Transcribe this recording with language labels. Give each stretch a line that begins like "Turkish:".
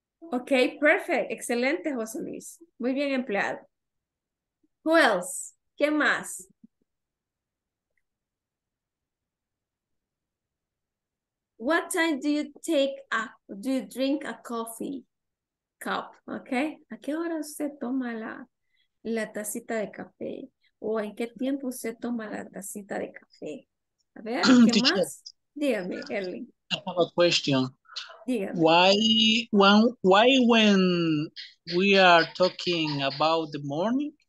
Spanish: Ok, perfecto. Excelente, José Luis. Muy bien empleado.
English: Who else?
Spanish: ¿Qué más?
English: What time do you take a, do you drink a coffee cup? Ok.
Spanish: ¿A qué hora usted toma la tacita de café? ¿O en qué tiempo usted toma la tacita de café? A ver, ¿qué más? Dígame, Erling.
English: I have a question. Yeah. Why when we are talking about the morning,